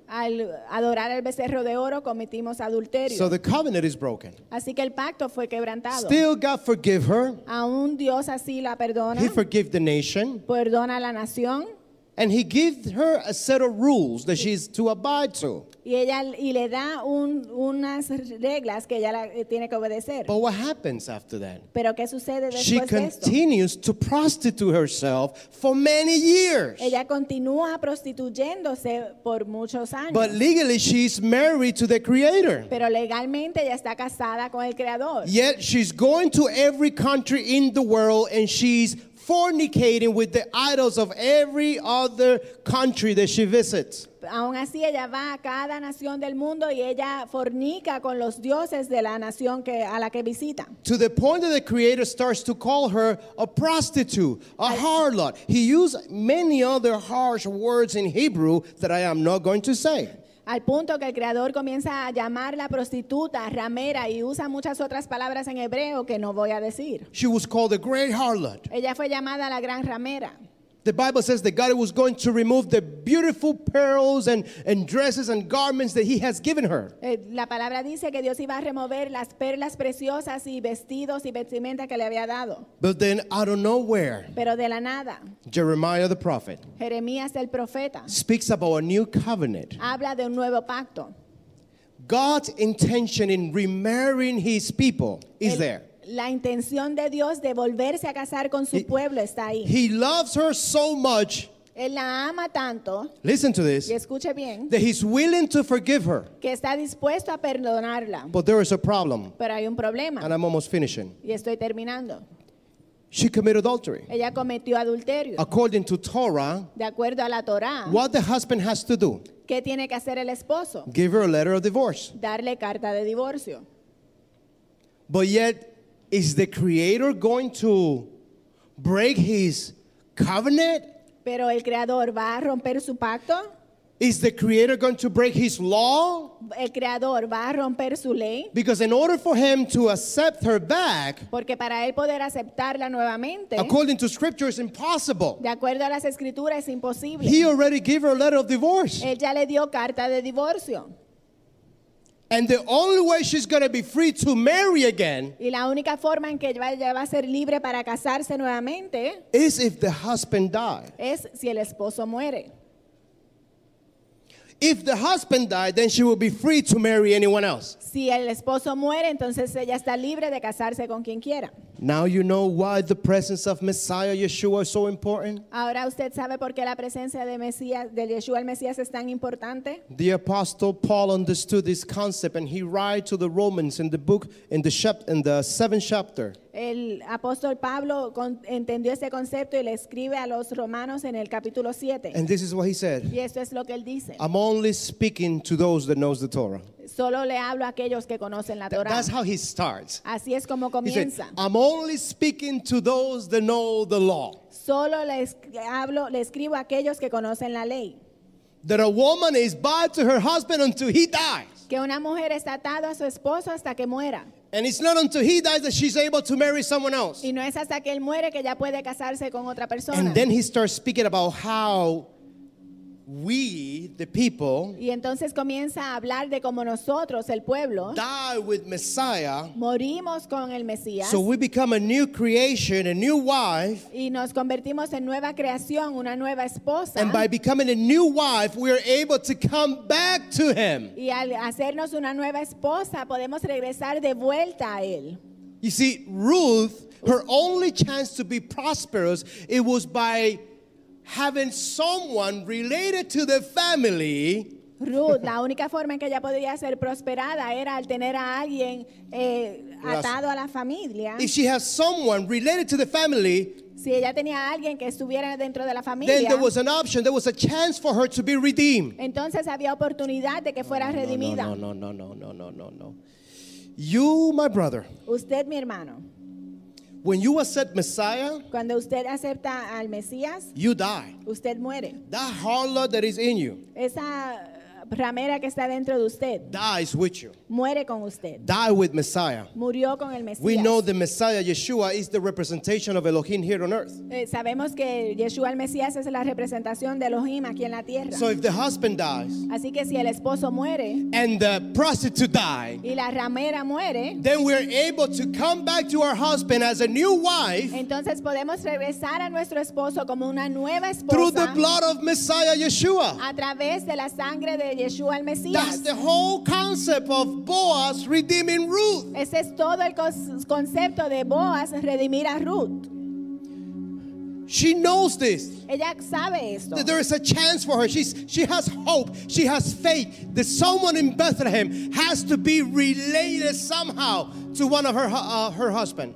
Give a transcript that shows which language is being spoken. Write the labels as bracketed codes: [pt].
[es] Al adorar el becerro de oro, cometimos adulterio. [en] So the covenant is broken. [es] Así que el pacto fue quebrantado. [en] Still, God forgive her. [es] Aún Dios así la perdona. [en] He forgives the nation. [es] Perdona la nación. [en] And he gives her a set of rules that she's to abide to. [es] Y ella y le da unas reglas que ella tiene que obedecer. [en] But what happens after that? [es] Pero qué sucede después de esto? [en] She continues to prostitute herself for many years. [es] Ella continúa prostituyéndose por muchos años. [en] But legally she's married to the Creator. [es] Pero legalmente ella está casada con el Creador. [en] Yet she's going to every country in the world and she's fornicating with the idols of every other country that she visits. [es] Aun así, ella va a cada nación del mundo y ella fornica con los dioses de la nación que a la que visita. [en] To the point that the Creator starts to call her a prostitute, a harlot. He used many other harsh words in Hebrew that I am not going to say. [es] al punto que el creador comienza a llamarla prostituta, ramera, y usa muchas otras palabras en hebreo que no voy a decir. [en] She was called the great harlot. [es] Ella fue llamada la gran ramera. [en] The Bible says that God was going to remove the beautiful pearls and dresses and garments that he has given her. [es] La palabra dice que Dios iba a remover las perlas preciosas y vestidos y vestimenta que le había dado. [en] But then out of nowhere. [es] Pero de la nada. [en] Jeremiah the prophet. [es] Jeremías el profeta. [en] Speaks about a new covenant. [es] Habla de un nuevo pacto. [en] God's intention in remarrying his people is there. [es] La intención de Dios de volverse a casar con su pueblo está ahí. [en] He loves her so much. [es] Él la ama tanto. [en] Listen to this. [es] Y escuche bien. [en] That he's willing to forgive her. [es] Que está dispuesto a perdonarla. [en] But there is a problem. [es] Pero hay un problema. [en] And I'm almost finishing. [es] Y estoy terminando. [en] She committed adultery. [es] Ella cometió adulterio. [en] According to Torah. [es] De acuerdo a la Torah. [en] What the husband has to do? [es] ¿Qué tiene que hacer el esposo? [en] Give her a letter of divorce. [es] Darle carta de divorcio. [en] But yet, is the Creator going to break his covenant? [es] Pero el Creador va a romper su pacto? [en] Is the Creator going to break his law? [es] El Creador va a romper su ley? [en] Because in order for him to accept her back, [es] porque para él poder aceptarla nuevamente, [en] according to Scripture, it's impossible. [es] De acuerdo a las Escrituras, es imposible. [en] He already gave her a letter of divorce. [es] Él ya le dio carta de divorcio. [en] And the only way she's going to be free to marry again, [es] y la única forma en que ella va a ser libre para casarse nuevamente, [en] is if the husband dies. [es] Es si el esposo muere. [en] If the husband dies, then she will be free to marry anyone else. [es] Si el esposo muere, entonces ella está libre de casarse con quien quiera. [en] Now you know why the presence of Messiah Yeshua is so important. [es] Ahora usted sabe por qué la presencia de Mesías, del Yeshua el Mesías, es tan importante. [en] The apostle Paul understood this concept, and he writes to the Romans in the book in the seventh chapter. [es] El apóstol Pablo entendió ese concepto y le escribe a los romanos en el capítulo 7. [en] And this is what he said. [es] Y esto es lo que él dice. [en] I'm only speaking to those that knows the Torah. [es] Solo le hablo a aquellos que conocen la Torah. [en] That's how he starts. [es] Así es como comienza. [en] He said, I'm only speaking to those that know the law. [es] Solo le escribo a aquellos que conocen la ley. [en] That a woman is bound to her husband until he dies. [es] Que una mujer está atada a su esposo hasta que muera. [en] And it's not until he dies that she's able to marry someone else. [es] Y no es hasta que él muere que ella puede casarse con otra persona. [en] And then he starts speaking about how we, the people, [es] y entonces comienza a hablar de cómo nosotros, el pueblo, [en] die with Messiah, [es] morimos con el Mesías, [en] so we become a new creation, a new wife, [es] y nos convertimos en nueva creación, una nueva esposa, [en] and by becoming a new wife, we are able to come back to him. [es] Y al hacernos una nueva esposa, podemos regresar de vuelta a él. [en] You see, Ruth, her only chance to be prosperous, it was by having someone related to the family. [es] Ruth, la única forma en que ella podía ser prosperada era al tener a alguien atado a la familia. [en] If she has someone related to the family, [es] si ella tenía a alguien que estuviera dentro de la familia, [en] then there was an option, there was a chance for her to be redeemed. [es] Entonces había oportunidad de que fuera redimida. [en] No. You, my brother. [es] Usted, mi hermano. [en] When you accept Messiah, [es] cuando usted acepta al Mesías, [en] you die. [es] Usted muere. [en] That harlot that is in you, [es] esa ramera que está dentro de usted, [en] dies with you. [es] Muere con usted. [en] Die with Messiah. [es] Murió con el Mesías. [en] We know the Messiah Yeshua is the representation of Elohim here on earth. [es] Sabemos que Yeshua el Mesías es la representación de Elohim aquí en la tierra. [en] So if the husband dies, [es] así que si el esposo muere, [en] and the prostitute die, [es] y la ramera muere, [en] then we are able to come back to our husband as a new wife. [es] Entonces podemos regresar a nuestro esposo como una nueva esposa. [en] Through the blood of Messiah Yeshua. [es] A través de la sangre de Yeshua el Mesías. [en] That's the whole concept of Boaz redeeming Ruth. [es] Ese es todo el concepto de Boaz redimir a Ruth. [en] She knows this. [es] Ella sabe esto. [en] That there is a chance for her. She has hope. She has faith that someone in Bethlehem has to be related somehow to one of her husband.